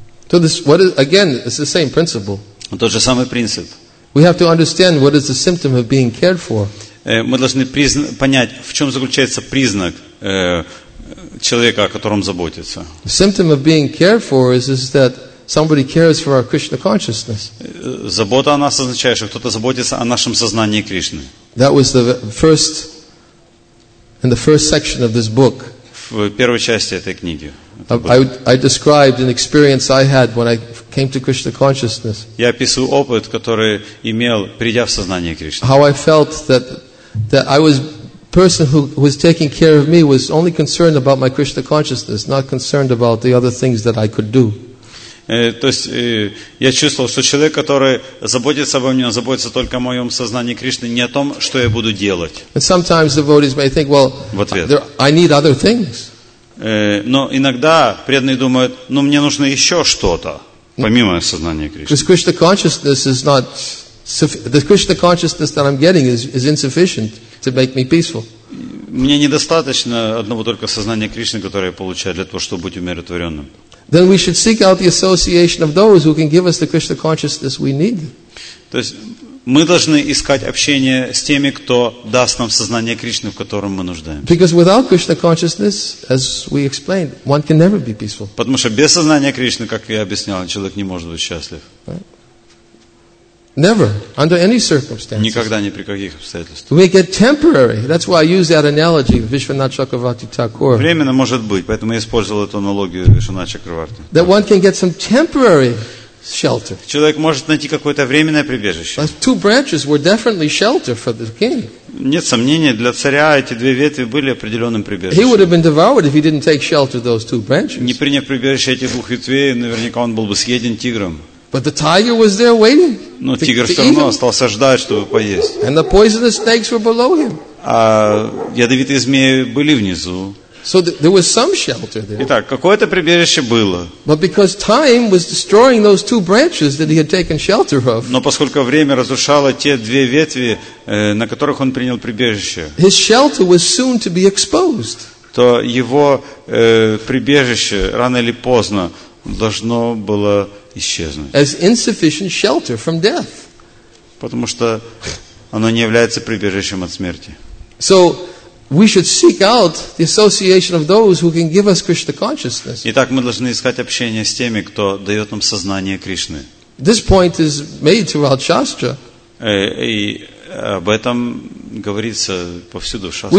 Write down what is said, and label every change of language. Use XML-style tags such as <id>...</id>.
<en>So this, what is, again, it's the same principle.</en> <ru>Тот же самый принцип.</ru> <en>We have to understand what is the symptom of being cared for.</en> <ru>Мы должны понять, в чем заключается признак человека, о котором заботится.</ru> <en>The symptom of being cared for is that somebody cares for our Krishna consciousness.</en> <ru>Забота о нас означает, что кто-то заботится о нашем сознании Кришны.</ru> <en>That was the first in the first section of this book.</en> <ru>В первой части этой книги.</ru> <en>I described an experience I had when I came to Krishna consciousness.</en> <ru>Я описываю опыт, который имел, придя в сознание Кришны.</ru> <en>How I felt that I was person who was taking care of me was only concerned about my Krishna consciousness, not concerned about the other things that I could do.</en> <ru>То есть я чувствовал, что человек, который заботится обо мне, он заботится только о моем сознании Кришны, не о том, что я буду делать.</ru> <en>And sometimes devotees may think, well,</en> <ru>в ответ.</ru> <en>I need other things.</en> <ru>Но иногда преданные думают, ну мне нужно еще что-то, помимо сознания Кришны.</ru> <en>Because Krishna consciousness is not the Krishna consciousness that I'm getting is insufficient to make me peaceful.</en> <ru>Мне недостаточно одного только сознания Кришны, которое я получаю для того, чтобы быть умиротворенным.</ru> <en>Then we should seek out the association of those who can give us the Krishna consciousness we need.</en> <ru>То есть мы должны искать общение с теми, кто даст нам сознание Кришны, в котором мы нуждаемся.</ru> <en>Because without Krishna consciousness, as we explained, one can never be peaceful.</en> <ru>Потому что без сознания Кришны, как я объяснял, человек не может быть счастлив.</ru> <en>Never, under any circumstances.</en> <ru>Никогда, ни при каких обстоятельствах.</ru> <en>We get temporary. That's why I use that analogy of Vishwanath Chakravarti Thakur.</en> <ru>Временно может быть, поэтому я использовал эту аналогию Вишванатха Чакраварти.</ru> <en>That one can get some temporary shelter.</en> <ru>Человек может найти какое-то временное прибежище.</ru> <en>But two branches were definitely shelter for the king.</en> <ru>Нет сомнений, для царя эти две ветви были определенным прибежищем.</ru> <en>He would have been devoured if he didn't take shelter those two branches.</en> <ru>Не приняв прибежище этих двух ветвей, наверняка он был бы съеден тигром.</ru> <en>But the tiger was there waiting.</en> <ru>Но тигр все равно остался ждать, чтобы поесть.</ru> <en>And the poisonous snakes were below him.</en> <ru>А ядовитые змеи были внизу.</ru> <en>So there was some shelter there.</en> <ru>Итак, какое-то прибежище было.</ru> <en>But because time was destroying those two branches that he had taken shelter of.</en> <ru>Но поскольку время разрушало те две ветви, на которых он принял прибежище.</ru> <en>His shelter was soon to be exposed.</en> <ru>То его прибежище рано или поздно должно было исчезнуть.</ru> <en>As insufficient shelter from death.</en> <ru>Потому что оно не является прибежищем от смерти.</ru> <en>So we should seek out the association of those who can give us Krishna consciousness.</en> <ru>Итак, мы должны искать общение с теми, кто дает нам сознание Кришны.</ru> <en>This point is made throughout Shastra.</en> <ru>И об этом говорится повсюду в Шастре.</ru>